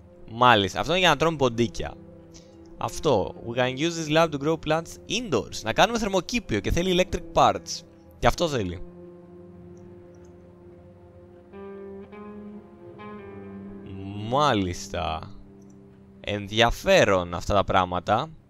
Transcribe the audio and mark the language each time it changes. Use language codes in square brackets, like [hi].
[el] Μάλιστα, αυτό είναι για να τρώμε ποντίκια. Αυτό. [en] We can use this lab to grow plants indoors. [el] Να κάνουμε θερμοκήπιο και θέλει electric parts. Και αυτό θέλει. Μάλιστα. Ενδιαφέρον αυτά τα πράγματα.